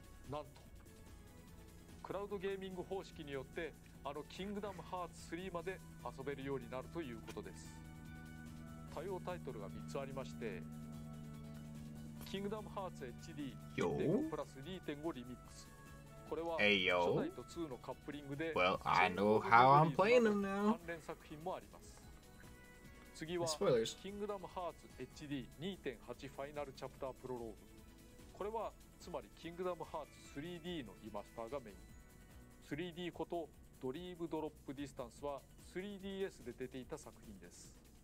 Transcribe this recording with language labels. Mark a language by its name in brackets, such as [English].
[Japanese] なんとクラウドゲーミング方式によってあのキングダムハーツ3まで遊べるようになるということです。対応タイトルが3つありまして、キングダムハーツ HD 1.5 プラス 2.5 リミックス、これは初代と2のカップリングで、 [English] Well, I know how I'm playing them now. [Japanese] 関連作品もあります。次はキングダムハーツ HD 2.8 ファイナルチャプタープロローグ、これはつまりキングダムハーツ 3D のリマスターがメイン。 3D ことドリームドロップディスタンスは 3DS で出ていた作品です。